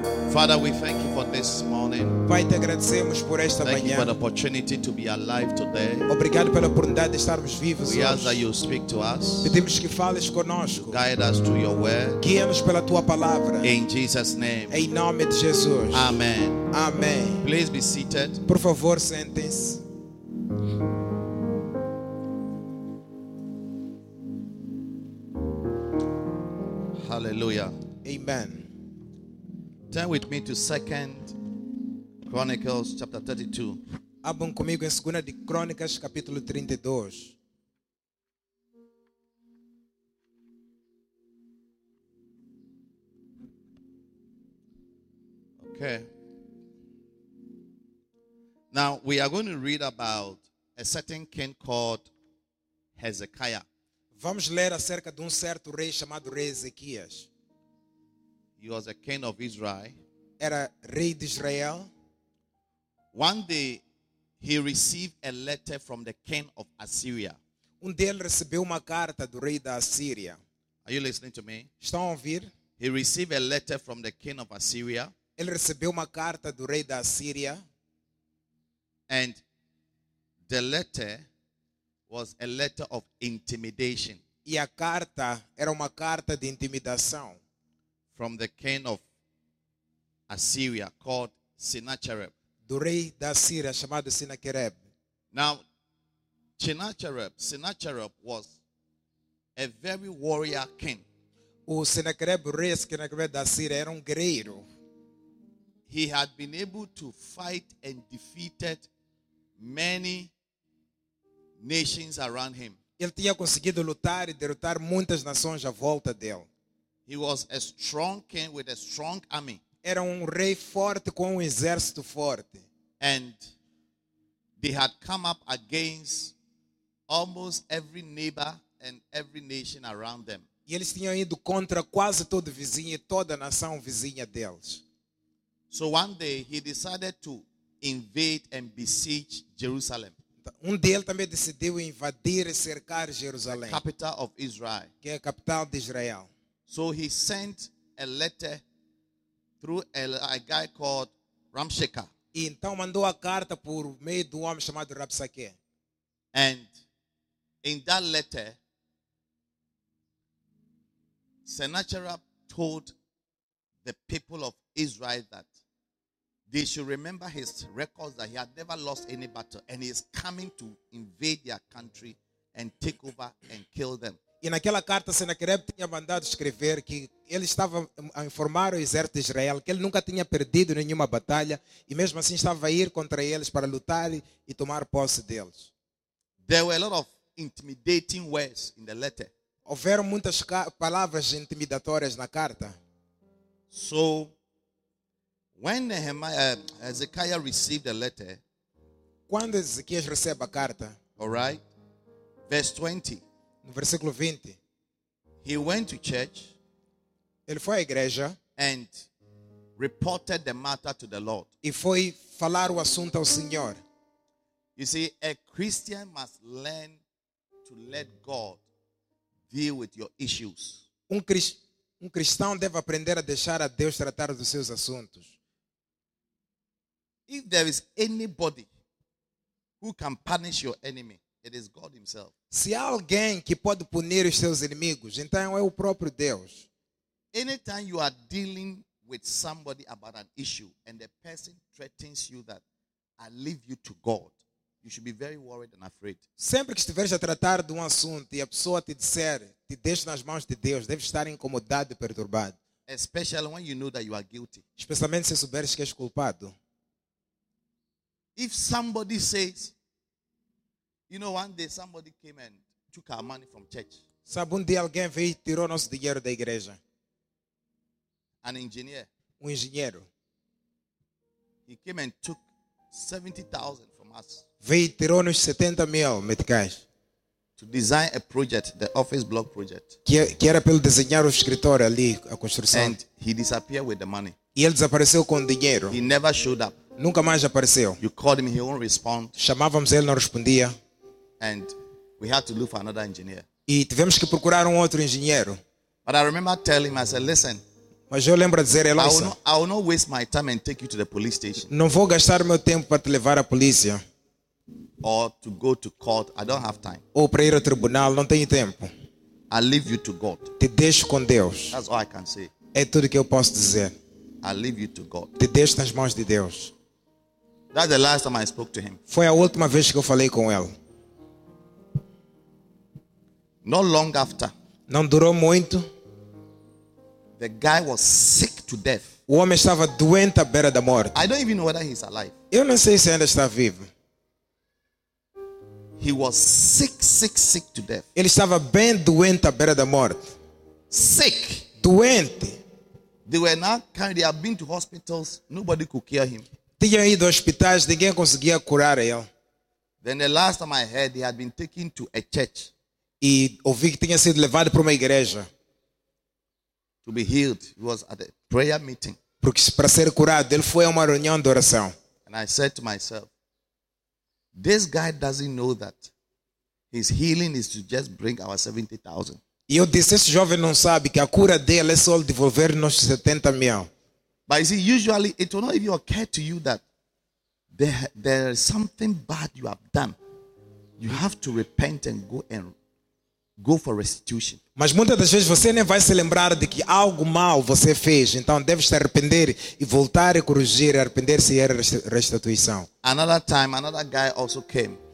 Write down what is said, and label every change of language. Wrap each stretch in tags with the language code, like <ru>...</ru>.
<en>Father, we thank you for this morning. morning.</en> <pt>Pai, te agradecemos por esta</pt> <en>Thank</en> <pt>manhã.</pt> <en>You for the opportunity to be alive today.</en> <pt>Obrigado pela oportunidade de estarmos vivos</pt> <en>we</en> <pt>hoje.</pt> <en>Ask that you speak to us.</en> <pt>Pedimos que fales conosco.</pt> <en>Guide us to your word.</en> <pt>Guia-nos pela tua palavra.</pt> <en>In Jesus name.</en> <pt>Em nome de Jesus.</pt> <en>Amen.</en> <pt>Amém.</pt> <en>Please be seated.</en> <pt>Por favor, sentem-se.</pt> <en>Hallelujah. Amen. Turn with me to 2 Chronicles chapter 32.</en> <pt>Abram comigo em 2 de Crônicas capítulo 32.</pt> <en>Okay. Now we are going to read about a certain king called Hezekiah.</en> <pt>Vamos ler acerca de certo rei chamado rei Ezequias.</pt> <en>He was a king of Israel.</en> <pt>Era rei de Israel.</pt> <en>One day, he received a letter from the king of Assyria.</en> <pt>Dia ele recebeu uma carta do rei da Assíria.</pt> <en>Are you listening to me?</en> <pt>Estão a ouvir?</pt> <en>He received a letter from the king of Assyria.</en> <pt>Ele recebeu uma carta do rei da Assíria.</pt> <en>And the letter was a letter of intimidation.</en> <pt>E a carta era uma carta de intimidação.</pt> <en>From the king of Assyria called Sennacherib.</en> <pt>Do rei da Assíria chamado Sennacherib.</pt> <en>Now, Sennacherib was a very warrior king.</en> <pt>O Sennacherib, o rei Sennacherib da Assíria, era guerreiro.</pt> <en>He had been able to fight and defeated many nations around him.</en> <pt>Ele tinha conseguido lutar e derrotar muitas nações à volta dele.</pt> <en>He was a strong king with a strong army.</en> <pt>Era rei forte com exército forte.</pt> <en>And they had come up against almost every neighbor and every nation around them.</en> <pt>E eles tinham ido contra quase todo vizinho e toda a nação vizinha deles.</pt> <en>So one day he decided to invade and besiege Jerusalem.</en> <pt>Dele também decidiu invadir e cercar Jerusalém.</pt> <en>The capital of Israel.</en> <pt>Que é a capital de Israel.</pt> <en>So he sent a letter through a guy called Rabshakeh.</en> <pt>E então mandou a carta por meio de homem chamado Rabshakeh.</pt> <en>And in that letter, Sennacherib told the people of Israel that they should remember his records that he had never lost any battle and he is coming to invade their country and take over and kill them.</en> <pt>E naquela carta, Sennacherib tinha mandado escrever que ele estava a informar o exército de Israel que ele nunca tinha perdido nenhuma batalha e mesmo assim estava a ir contra eles para lutar e tomar posse deles.</pt> <en>There were a lot of intimidating words in the letter.</en> <pt>Houveram muitas palavras intimidatórias na carta.</pt> <en>So, when Hezekiah received the letter,</en> <pt>quando Ezequias recebe a carta,</pt> <en>all right, verse 20,</en> <pt>no versículo 20,</pt> <en>he went to church,</en> <pt>ele foi à igreja,</pt> <en>and reported the matter to the Lord.</en> <pt>E foi falar o assunto ao Senhor.</pt> <en>You see, a Christian must learn to let God deal with your issues.</en> <pt>Cristão deve aprender a deixar a Deus tratar dos seus assuntos.</pt> <en>If there is anybody who can punish your enemy, it is God himself.</en> <pt>Se há alguém que pode punir os seus inimigos, então é o próprio Deus.</pt> <en>Anytime you are dealing with somebody about an issue and the person threatens you that I leave you to God, you should be very worried and afraid.</en> <pt>Sempre que estiveres a tratar de assunto e a pessoa te disser, te deixo nas mãos de Deus, deve estar incomodado e perturbado.</pt> <en>Especially when you know that you are guilty.</en> <pt>Especialmente se souberes que és culpado.</pt> <en>If somebody says, you know, one day somebody came and took our money from church.</en> <pt>Sabe, dia alguém veio e tirou nosso dinheiro da igreja.</pt> <en>An engineer.</en> <pt>Engenheiro.</pt> <en>He came and took 70,000 from us.</en> <pt>Veio e tirou nos 70 mil meticais.</pt> <en>To design a project, the office block project.</en> <pt>Que era para desenhar o escritório ali, a construção.</pt> <en>And he disappeared with the money.</en> <pt>E ele desapareceu com o dinheiro.</pt> <en>He never showed up.</en> <pt>Nunca mais apareceu.</pt> <en>You called him, he won't respond.</en> <pt>Chamávamos ele, não respondia.</pt> <en>And we had to look for another engineer.</en> <pt>E tivemos que procurar outro engenheiro.</pt> <en>But I remember telling him, I said, listen,</en> <pt>Mas eu lembro de dizer, Eloisa,</pt> <en>I will not waste my time and take you to the police station.</en> <pt>Não vou gastar meu tempo para te levar à polícia.</pt> <en>Or to go to court, I don't have time.</en> <pt>Ou para ir ao tribunal, não tenho tempo.</pt> <en>I leave you to God.</en> <pt>Te deixo com Deus.</pt> <en>That's all I can say.</en> <pt>É tudo que eu posso dizer.</pt> <en>I leave you to God.</en> <pt>Te deixo nas mãos de Deus.</pt> <en>That's the last time I spoke to him.</en> <pt>Foi a última vez que eu falei com ele.</pt> <en>Not long after.</en> <pt>Não durou muito.</pt> <en>The guy was sick to death.</en> <pt>O homem estava doente à beira da morte.</pt> <en>I don't even know whether he's alive.</en> <pt>Eu não sei se ainda está vivo.</pt> <en>He was sick to death.</en> <pt>Ele estava bem doente à beira da morte.</pt> <en>Sick.</en> <pt>Doente.</pt> <en>They were not kind. They had been to hospitals. Nobody could cure him.</en> <pt>Tinha ido a hospitais, ninguém conseguia curar ele.</pt> <en>Then the last time I heard, he had been taken to a church.</en> <pt>E ouvi que tinha sido levado para uma igreja.</pt> <en>To be healed, he was at a prayer meeting.</en> <pt>Porque para ser curado, ele foi a uma reunião de oração.</pt> <en>And I said to myself, this guy doesn't know that his healing is to just bring our 70,000.</en> <pt>E eu disse, esse jovem não sabe que a cura dele é só devolver nossos 70 mil.</pt> <en>But you see, usually it will not even occur to you that there is something bad you have done. You have to repent and go for restitution.</en> <pt>Mas muitas das vezes você nem vai se lembrar de que algo mal você fez. Então deve se arrepender e voltar e corrigir, arrepender-se e era restituição.</pt> <en>Another time, another guy also came.</en>